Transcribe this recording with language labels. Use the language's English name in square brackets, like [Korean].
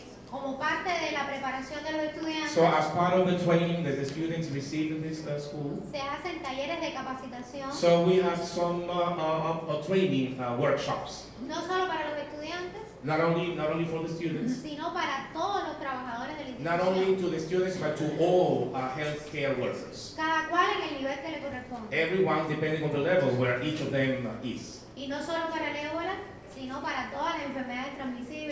[Spanish] como parte de la preparación de los estudiantes. [English] So as part of the training that the students receive in this school. [Spanish] Se hacen talleres de capacitación. [English] So we have some training workshops. [Spanish] No solo para los estudiantes. [English] Not only for the students. [Spanish] Sino para todos los trabajadores del instituto. [English] Not only to the students, but to all healthcare workers. [Spanish] Cada cual en el nivel que le corresponde. [English] Everyone depending on the level where each of them is. [Spanish] Y no solo para el ébola, sino para todas las enfermedades transmisibles.